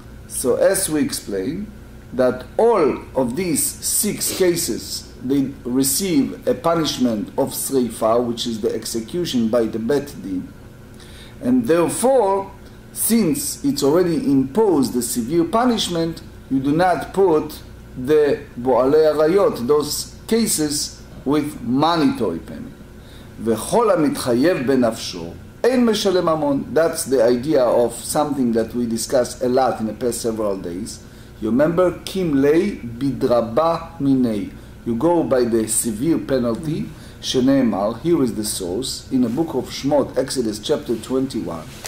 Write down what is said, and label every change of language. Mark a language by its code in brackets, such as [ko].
[en] So as we explain, that all of these six cases, they receive a punishment of sreifa, which is the execution by the bet din. And therefore, since it's already imposed the severe punishment, you do not put the bo'alei arayot, those cases, with monetary payment. [he] וכל המתחייב בנפשו אין משלם המון. [en] That's the idea of something that we discussed a lot in the past several days. You remember, [arc] kimlei bidraba minei. [en] You go by the severe penalty, שנאמר, here is the source, in the book of Shmot, Exodus chapter 21.